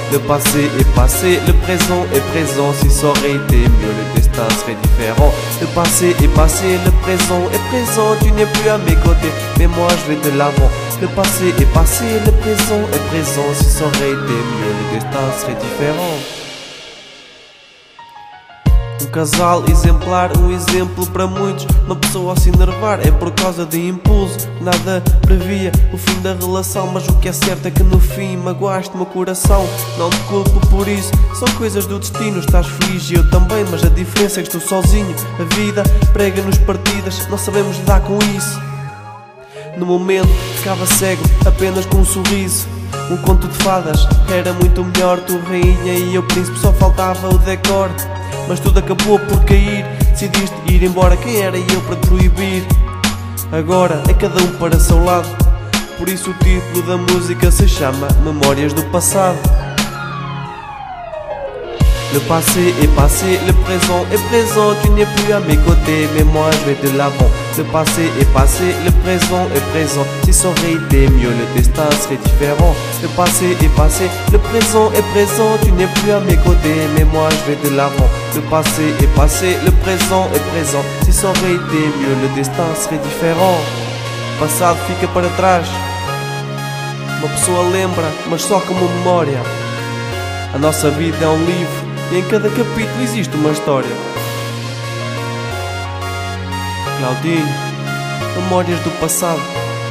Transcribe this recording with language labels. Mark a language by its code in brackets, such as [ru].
[fr] Le passé est passé, le présent est présent, si ça aurait été mieux, le destin serait différent. Le passé est passé, le présent est présent, tu n'es plus à mes côtés, mais moi je vais de l'avant. Le passé est passé, le présent est présent, si ça aurait été mieux, le destin serait différent. [pt] Um casal exemplar, um exemplo para muitos. Uma pessoa a se enervar é por causa de impulso. Nada previa o fim da relação, mas o que é certo é que no fim magoaste o meu coração. Não te culpo por isso, são coisas do destino. Estás feliz e eu também, mas a diferença é que estou sozinho. A vida prega-nos partidas, não sabemos lidar com isso. No momento ficava cego, apenas com um sorriso. Um conto de fadas era muito melhor. Tu rainha e eu príncipe, só faltava o decor. Mas tudo acabou por cair. Decidiste ir embora, quem era eu para proibir? Agora é cada um para seu lado. Por isso o título da música se chama Memórias do Passado. [fr] Le passé est passé, le présent est présent, tu n'es plus à mes côtés, mais moi je vais de l'avant. Le passé est passé, le présent est présent, si ça aurait été mieux, le destin serait différent. Le passé est passé, le présent est présent, tu n'es plus à mes côtés, mais moi je vais de l'avant. Le passé est passé, le présent est présent, si ça aurait été mieux, le destin serait différent. [pt] Le passado fica para trás. Uma pessoa lembra, mas só como memória. A nossa vida é um livro. E em cada capítulo existe uma história. Claudinho, memórias do passado.